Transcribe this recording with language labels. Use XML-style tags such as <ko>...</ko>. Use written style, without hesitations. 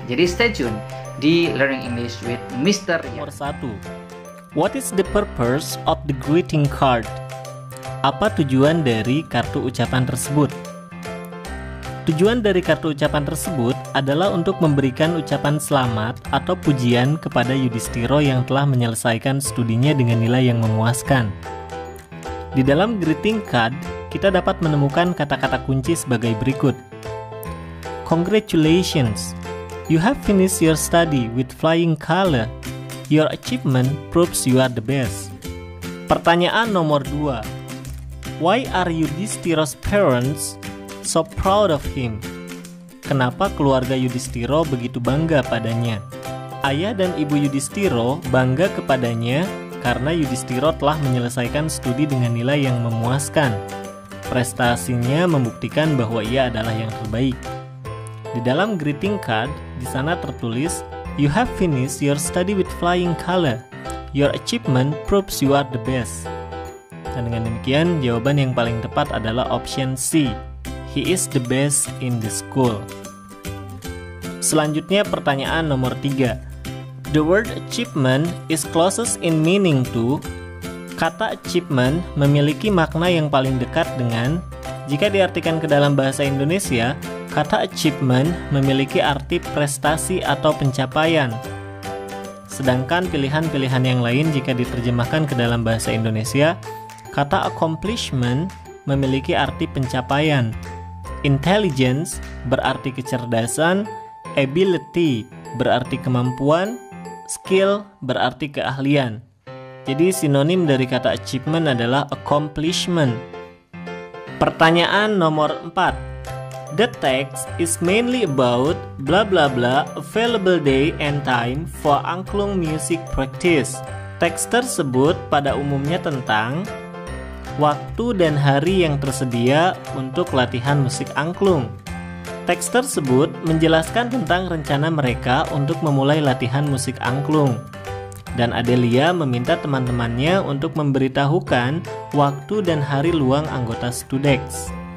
<id>Jadi</id> <en>stay tune</en> <id>di Learning English with Mr. Nomor 1.</id> <en>What is the purpose of the greeting card?</en> <id>Apa tujuan dari kartu ucapan tersebut? Tujuan dari kartu ucapan tersebut adalah untuk memberikan ucapan selamat atau pujian kepada Yudhistira yang telah menyelesaikan studinya dengan nilai yang memuaskan. Di dalam greeting card, kita dapat menemukan kata-kata kunci sebagai berikut.</id> <en>Congratulations! You have finished your study with flying color. Your achievement proves you are the best.</en> <id>Pertanyaan nomor 2.</id> <en>Why are Yudhistira's parents so proud of him?</en> <id>Kenapa keluarga Yudhistira begitu bangga padanya? Ayah dan ibu Yudhistira bangga kepadanya karena Yudhistira telah menyelesaikan studi dengan nilai yang memuaskan. Prestasinya membuktikan bahwa ia adalah yang terbaik. Di dalam greeting card, di sana tertulis,</id> <en>"You have finished your study with flying color. Your achievement proves you are the best."</en> <id>Dan dengan demikian, jawaban yang paling tepat adalah option C.</id> <en>He is the best in the school.</en> <id>Selanjutnya pertanyaan nomor 3.</id> <en>The word achievement is closest in meaning to.</en> <id>Kata achievement memiliki makna yang paling dekat dengan. Jika diartikan ke dalam bahasa Indonesia, kata achievement memiliki arti prestasi atau pencapaian. Sedangkan pilihan-pilihan yang lain jika diterjemahkan ke dalam bahasa Indonesia, kata accomplishment memiliki arti pencapaian. Intelligence berarti kecerdasan, ability berarti kemampuan, skill berarti keahlian. Jadi sinonim dari kata achievement adalah accomplishment. Pertanyaan nomor 4.</id> <en>The text is mainly about blah blah blah available day and time for angklung music practice.</en> <id>Teks tersebut pada umumnya tentang waktu dan hari yang tersedia untuk latihan musik angklung. Teks tersebut menjelaskan tentang rencana mereka untuk memulai latihan musik angklung. Dan Adelia meminta teman-temannya untuk memberitahukan waktu dan hari luang anggota Studex.</id>